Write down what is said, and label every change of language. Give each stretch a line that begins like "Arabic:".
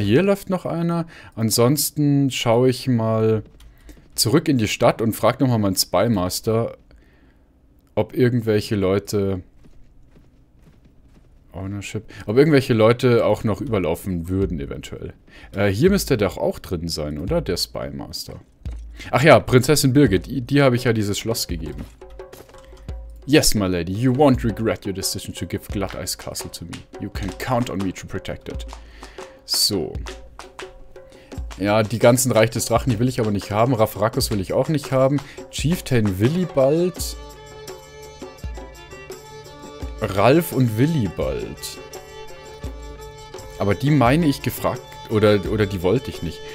German: Hier läuft noch einer. Ansonsten schaue ich mal zurück in die Stadt und frage noch mal meinen Spymaster, ob irgendwelche Leute... Ownership. Ob irgendwelche Leute auch noch überlaufen würden eventuell. Hier müsste der doch auch drin sein, oder? Der Spymaster. Ach ja, Prinzessin Birgit, die habe ich ja dieses Schloss gegeben.
English: Yes, my lady, you won't regret your decision to give Glatteis Castle to me. You can count on me to protect it.
German: So. Ja, die ganzen Reich des Drachen, die will ich aber nicht haben. Raffarakus will ich auch nicht haben.
English: Chieftain Willibald.
German: Ralf und Willibald. Aber die meine ich gefragt, oder die wollte ich nicht.